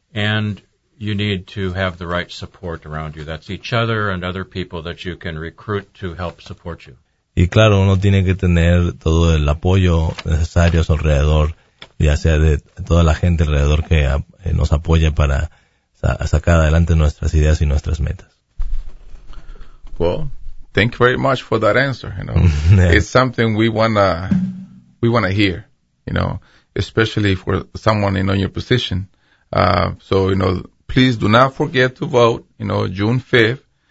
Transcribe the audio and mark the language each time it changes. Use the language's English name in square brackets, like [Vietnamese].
[English] And you need to have the right support around you. That's each other and other people that you can recruit to help support you. [Spanish] Y claro, uno tiene que tener todo el apoyo necesario a su alrededor, ya sea de toda la gente alrededor que nos apoya para sacar adelante nuestras ideas y nuestras metas. [English] Well, thank you very much for that answer. You know, yeah. It's something we wanna hear. You know, especially for someone in your position. So you know. Please do not forget to vote, you know, June 5th.